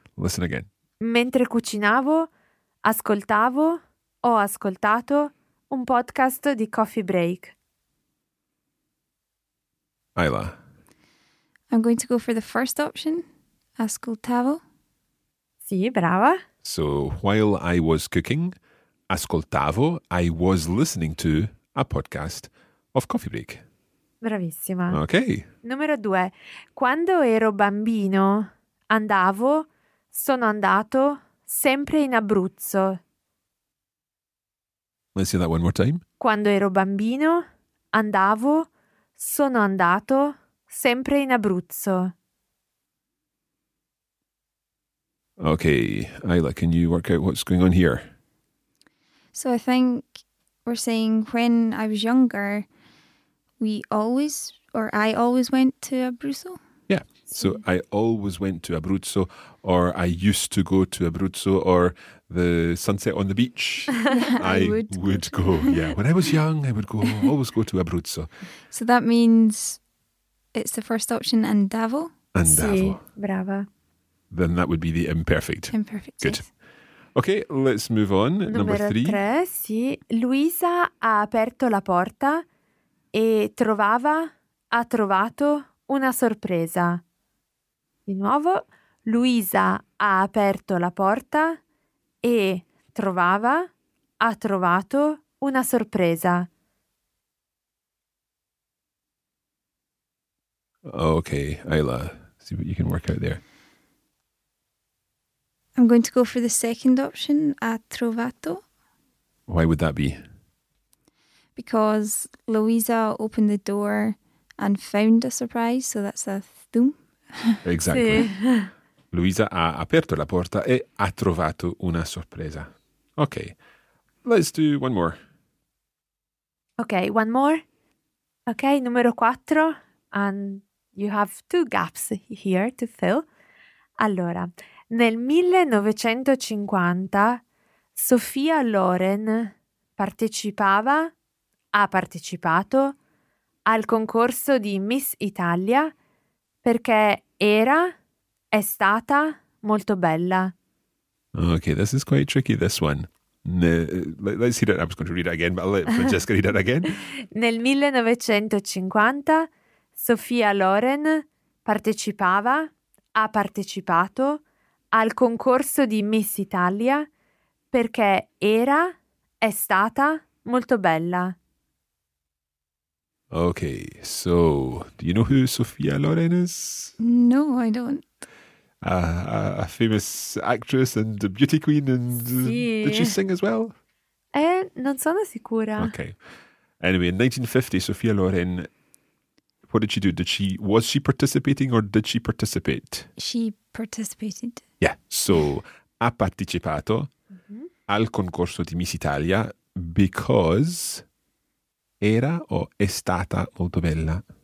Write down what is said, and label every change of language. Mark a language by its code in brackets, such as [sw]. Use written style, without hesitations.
[en] Listen again. [it] Mentre cucinavo, ascoltavo, ho ascoltato un podcast di Coffee Break. [en] Ayla. I'm going to go for the first option. [it] Ascoltavo. Sì, brava. [en] So, while I was cooking, ascoltavo, I was listening to a podcast of Coffee Break. [it] Bravissima. [en] Ok. [it] Numero due. Quando ero bambino, andavo, sono andato, sempre in Abruzzo. [en] Let's say that one more time. Quando ero bambino, andavo, sono andato, sempre in Abruzzo. Okay, Ayla, can you work out what's going on here? So I think we're saying when I was younger, I always went to Abruzzo. Yeah, so I always went to Abruzzo, or I used to go to Abruzzo, or the sunset on the beach. I would go. Yeah, when I was young, I would go always go to Abruzzo. So that means it's the first option, andavo. [it] Andavo. Sì, brava. [en] Then that would be the imperfect. Imperfect. Good. Yes. Okay, let's move on. Number three. [it] Sì. Luisa ha aperto la porta e ha trovato una sorpresa. Di nuovo, Luisa ha aperto la porta e ha trovato una sorpresa. [en] Okay, Ayla, see what you can work out there. I'm going to go for the second option, ha trovato. Why would that be? Because Luisa opened the door and found a surprise, so that's a thum. Exactly. [it] Luisa ha aperto la porta e ha trovato una sorpresa. [en] Okay, let's do one more. Okay, one more. Okay, [it] numero quattro. [en] And you have two gaps here to fill. [it] Allora, nel 1950 Sofia Loren ha partecipato al concorso di Miss Italia perché è stata molto bella. [en] Okay, this is quite tricky, this one. Let's hear it. I was going to read it again, but I'll let Francesca read it again. Nel 1950 Sofia Loren ha partecipato al concorso di Miss Italia perché è stata molto bella. Okay, so do you know who Sofia Loren is? No, I don't. A famous actress and a beauty queen, and did she sing as well? [it] Non sono sicura. [en] Okay. Anyway, in 1950, Sofia Loren, what did she do? Was she participating or did she participate? She participated. [it] Yeah, so ha partecipato al concorso di Miss Italia because era o è stata molto bella?